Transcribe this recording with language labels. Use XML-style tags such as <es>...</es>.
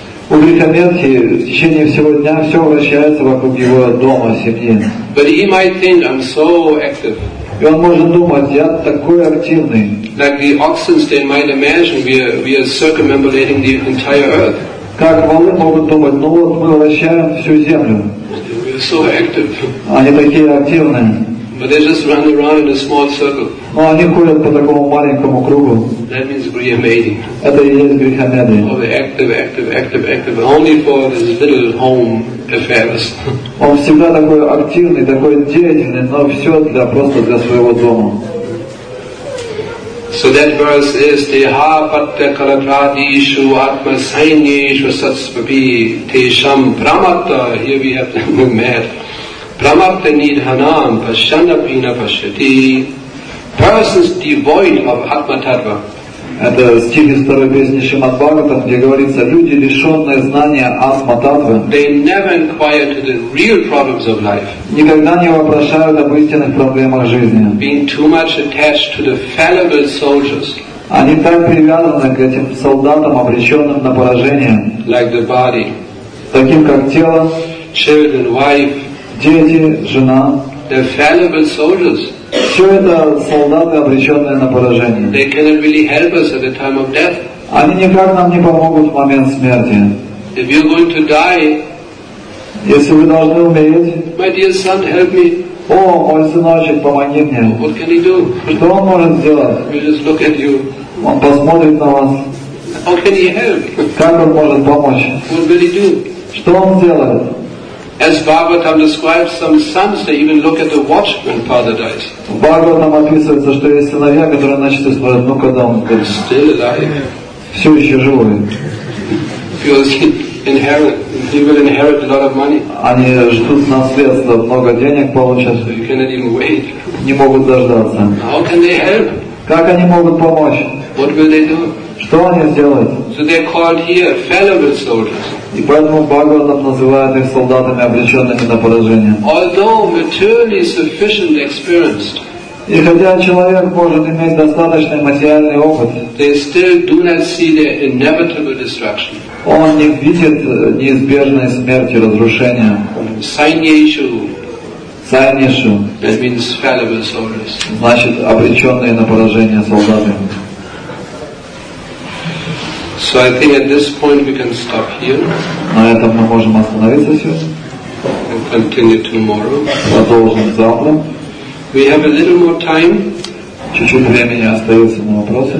<ru>У Гриха Медхи в течение всего дня все вращается вокруг его дома, семьи.</ru> <en>But he might think, I'm so active.</en> <ru>И он может думать, я такой активный.</ru> <en>Like the oxens, they might imagine we are circumambulating the entire earth.</en> <ru>Как волны могут думать, ну вот мы вращаем всю землю.</ru> <en>We are so active.</en> <ru>Они такие активные.</ru> <en>But they just run around in a small circle.</en> <ru>Но они ходят по такому маленькому кругу.</ru> <en>That means Griha Medhi.</en> <ru>Это и есть Гриха Медхи.</ru> <en>Oh, active, active, active, active. Only for this little home.</en> <ru>Он всегда такой активный, такой деятельный, но все для просто для своего дома.</ru> <sa>So that verse is Deha Patya Karatradishu Atma Sainyeshu Satsvabi Tesham Pramatta.</sa> <en>Here we have the mad.</en> <sa>Pramatta Nidhanam Pashanapina Pashati.</sa> <en>Persons devoid of Atma Tattva.</en> <ru>Это стих из второй песни Шримад Бхагаватам, где говорится, люди, лишенные знания Атма-таттвы, никогда не вопрошают об истинных проблемах жизни.</ru> <en>Being too much attached to the fallible soldiers.</en> <ru>Они так привязаны к этим солдатам, обреченным на поражение,</ru> <en>like the body.</en> <ru>Таким как тело,</ru> <en>children, wife.</en> <ru>Дети, жена.</ru> <en>They're fallible soldiers.</en> <ru>Все это солдаты, обреченные на поражение.</ru> <en>They cannot really help us at the time of death.</en> <ru>Они никак нам не помогут в момент смерти.</ru> <en>If you're going to die,</en> <ru>если вы должны умереть,</ru> <en>my dear son, help me.</en> <ru>О, мой сыночек, помоги мне.</ru> <en>What can he do?</en> <ru>Что он может сделать?</ru> <en>He'll just look at you.</en> <ru>Он посмотрит на вас.</ru> <en>How can he help?</en> <ru>Как он может помочь?</ru> <en>What will he do?</en> <ru>Что он сделает?</ru> <en>As Bhagavatam describes, some sons they even look at the watch when father dies.</en> <ru>Bhagavatam описывается, что есть сыновья, которые начали смотреть, ну когда он как</ru> <en>still alive.</en> <ru>Все еще живые.</ru> <en>Because he will inherit a lot of money.</en> <ru>Они ждут наследства, много денег получат.</ru> <en>So you cannot even wait.</en> <ru>Не могут дождаться.</ru> <en>How can they help?</en> <ru>Как они могут помочь?</ru> <en>What will they do?</en> <ru>Что они сделают?</ru> <en>So they're called here fallible soldiers.</en> <ru>И поэтому Бхагаватам называют их солдатами, обреченными на поражение.</ru> <en>Although materially sufficient experience,</en> <ru>и хотя человек может иметь достаточный материальный опыт,</ru> <en>they still do not see their inevitable destruction.</en> <ru>Он не видит неизбежной смерти, разрушения.</ru> <sa>Sainyeshu. Sainyeshu.</sa> <en>That means fallible soldiers.</en> <ru>Значит, обреченные на поражение солдаты.</ru> <en>So I think at this point we can stop here.</en> <ru>На этом мы можем остановиться сегодня.</ru> <en>Thank you. continue tomorrow.</en> <ru>Продолжим завтра.</ru> <en>We have a little more time.</en> <ru>Чуть-чуть времени остается на вопросы.</ru>